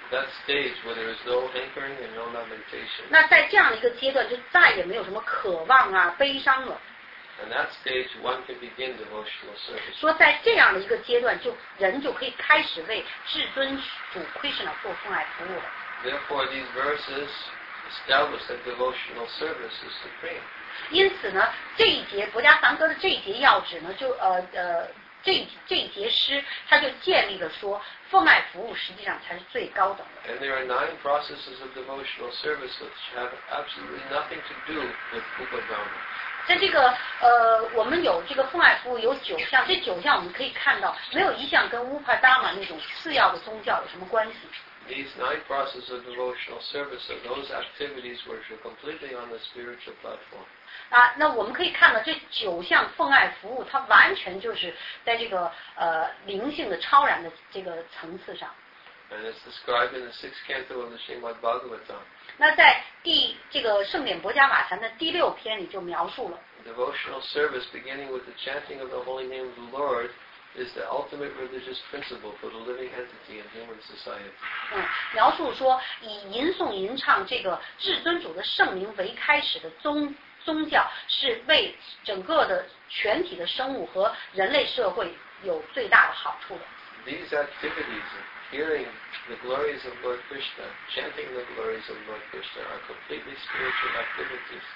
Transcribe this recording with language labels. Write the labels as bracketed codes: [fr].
[en] That stage where there is no hankering and no lamentation. [zh] 那在这样一个阶段，就再也没有什么渴望啊、悲伤了。 [en] And that stage, one can begin devotional service. [zh] 说在这样的一个阶段，就人就可以开始为至尊主 Krishna 做奉爱服务了。 [en] Therefore, these verses. Establish that devotional service is supreme. [zh] 因此呢，这一节《博迦梵歌》的这一节要旨呢，就这一节诗，它就建立了说，奉爱服务实际上才是最高等的。 [en] And there are nine processes of devotional service which have absolutely nothing to do with upadana. [zh] 在这个我们有这个奉爱服务有九项，这九项我们可以看到，没有一项跟upadana那种次要的宗教有什么关系。 [en] These nine processes of devotional service are those activities which are completely on the spiritual platform. [zh] 啊，那我们可以看到这九项奉爱服务，它完全就是在这个灵性的超然的这个层次上。 [en] And it's described in the sixth canto of the Srimad Bhagavatam. [zh] 那在这个圣典博迦瓦坛的第六篇里就描述了。 [en] Devotional service beginning with the chanting of the holy name of the Lord. Is the ultimate religious principle for the living entity in human society. [zh] 描述说以吟诵吟唱这个至尊主的圣名为开始的宗教是为整个的全体的生物和人类社会有最大的好处的。 [en] These activities, hearing the glories of Lord Krishna, chanting the glories of Lord Krishna, are completely spiritual activities.